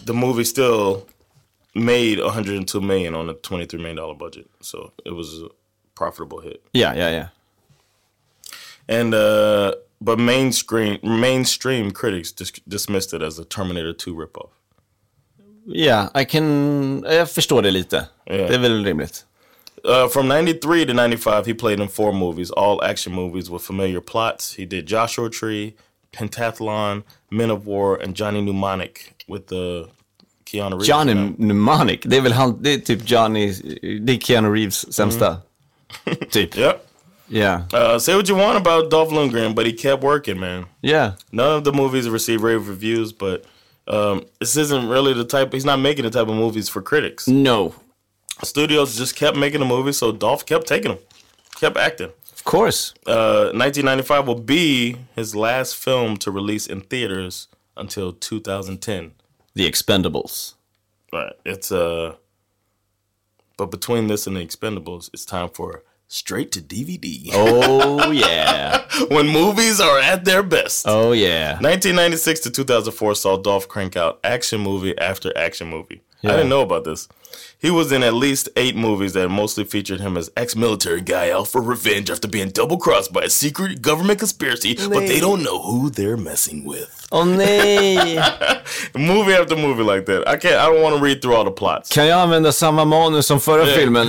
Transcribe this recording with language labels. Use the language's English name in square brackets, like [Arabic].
[English] The movie still... made $102 million on a $23 million budget. So it was a profitable hit. Yeah. And, but mainstream critics dismissed it as a Terminator 2 ripoff. [Swedish] Yeah, jag förstår det lite. Yeah. Det är väl rimligt. [English] From 93 to 95, he played in 4 movies, all action movies with familiar plots. He did Joshua Tree, Pentathlon, Men of War, and Johnny Mnemonic with the... Keanu Reeves. Johnny Mnemonic. [Swedish] Det är väl han, det är typ Johnny, det är Keanu Reeves sämsta. Mm-hmm. Typ. [English] Yep. Yeah. Say what you want about Dolph Lundgren, but he kept working, man. Yeah. None of the movies received rave reviews, but this isn't really the type, he's not making the type of movies for critics. No. Studios just kept making the movies, so Dolph kept taking them, kept acting. Of course. 1995 will be his last film to release in theaters until 2010. The Expendables. Right. It's a... But between this and The Expendables, it's time for straight to DVD. Oh, yeah. When movies are at their best. Oh, yeah. 1996 to 2004 saw Dolph crank out action movie after action movie. Yeah. I didn't know about this. He was in at least 8 movies that mostly featured him as ex-military guy out for revenge after being double-crossed by a secret government conspiracy, but they don't know who they're messing with. [Swedish] Oh, nej. [English] Movie after movie like that. I don't want to read through all the plots. [Swedish] Kan jag använda samma manus som förra filmen?